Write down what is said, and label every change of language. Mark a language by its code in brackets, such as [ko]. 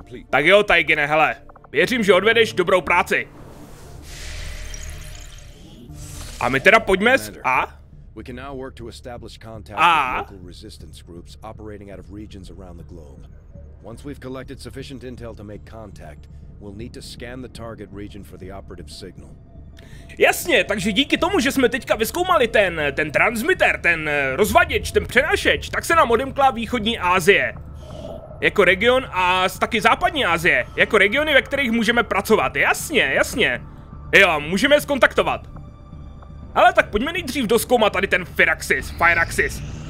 [cs] Tak jo, Taigene, hele. Věřím, že odvedeš dobrou práci. A my teda pojďme s... A? [en] We can now work to establish contact with local resistance groups operating out of regions around the globe. Once we've collected sufficient intel to make contact, we'll need to scan the target region for the operative signal. [cs] Jasně, takže díky tomu, že jsme teďka vyzkoumali ten transmitter, ten rozvaděč, ten přenašeč, tak se nám odemkla východní Asie. Jako region a taky západní Asie, jako regiony, ve kterých můžeme pracovat, jasně, jasně. Jo, můžeme je zkontaktovat. Ale tak pojďme nejdřív doskoumat tady ten Firaxis.